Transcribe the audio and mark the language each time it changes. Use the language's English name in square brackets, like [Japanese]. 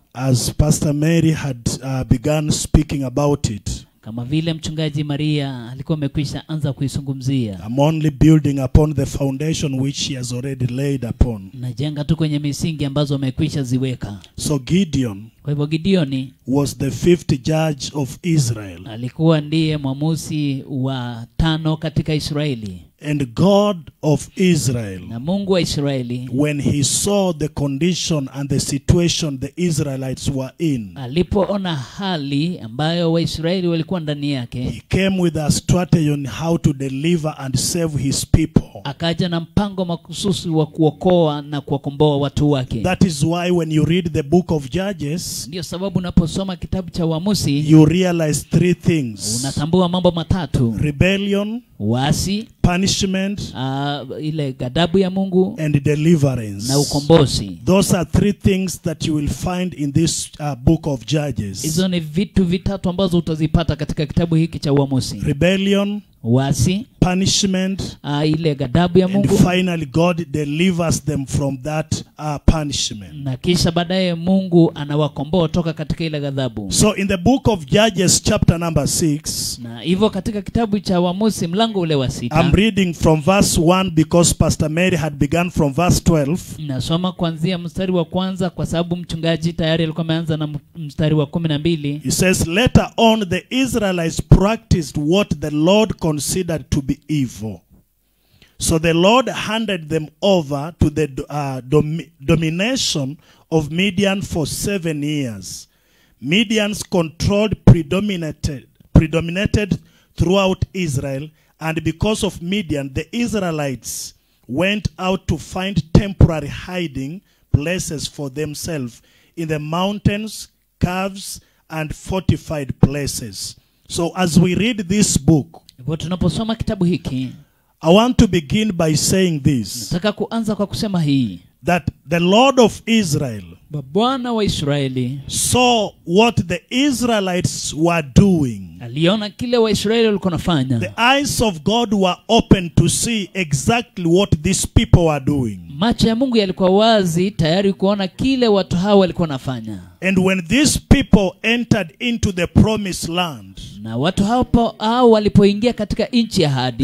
[English] As Pastor Mary had begun speaking about it. [Swahili] Kama vile mchungaji Maria alikuwa amekwisha anza kuisungumzia. [English] I'm only building upon the foundation which he has already laid upon. [Swahili] Najenga tu kwenye misingi ambazo amekwisha ziweka. [English] So Gideon, [Swahili] kwa hivyo Gideoni, [English] was the fifth judge of Israel. [Swahili] Alikuwa ndiye mwamuzi wa tano katika Israeli. [English] And God of Israel, [Swahili] na Mungu wa Israeli, [English] when he saw the condition and the situation the Israelites were in, [Swahili] alipoona hali ambayo wa Israeli walikuwa ndani yake, [English] he came with a strategy on how to deliver and save his people. [Swahili] Akaja na mpango makususi wa kuokoa na kuwakomboa watu wake. [English] That is why when you read the book of Judges, [Swahili] ndio sababu unaposoma kitabu cha Waamuzi, [English] you realize three things. [Swahili] Unatambua mambo matatu. [English] Rebellion, [Swahili] wasi, [English] punishment, [Swahili] ile ghadhabu ya Mungu, [English] and deliverance, [Swahili] na ukombozi. [English] Those are three things that you will find in this book of Judges. [Swahili] Hizo ni vitu vitatu ambazo utazipata katika kitabu hiki cha Waamuzi. [English] Rebellion, [Swahili] wasi, [English] punishment, [Swahili] ile ghadhabu ya Mungu, [English] and finally God delivers them from that punishment. [Swahili] Na kisha baadaye Mungu anawakomboa kutoka katika ile ghadhabu. [English] So in the book of Judges chapter number 6, [Swahili] na hivyo katika kitabu cha Waamuzi mlango ule wa 6, [English] I'm reading from verse 1 because Pastor Mary had begun from verse 12. [Swahili] Nasoma kuanzia mstari wa kwanza kwa sababu mchungaji tayari alikuwa ameanza na mstari wa 12. [English] He says, later on the Israelites practiced what the Lord considered to be evil. So the Lord handed them over to the domination of Midian for 7 years. Midian's control predominated throughout Israel. And because of Midian, the Israelites went out to find temporary hiding places for themselves in the mountains, caves, and fortified places. So as we read this book, but [Swahili] unaposoma kitabu hiki, [English] I want to begin by saying this, [Swahili] nataka kuanza kwa kusema hii, [English] that the Lord of Israel, [Swahili] Bwana wa Israeli [English] saw what the Israelites were doing. [Swahili] Aliona kile wa Israeli walikuwa wanafanya. [English] The eyes of God were open to see exactly what these people were doing. [Swahili] Macho ya Mungu yalikuwa wazi tayari kuona kile watu hao walikuwa wanafanya. [English] And when these people entered into the promised land, [Swahili] na watu hapo au walipoingia katika nchi ya ahadi,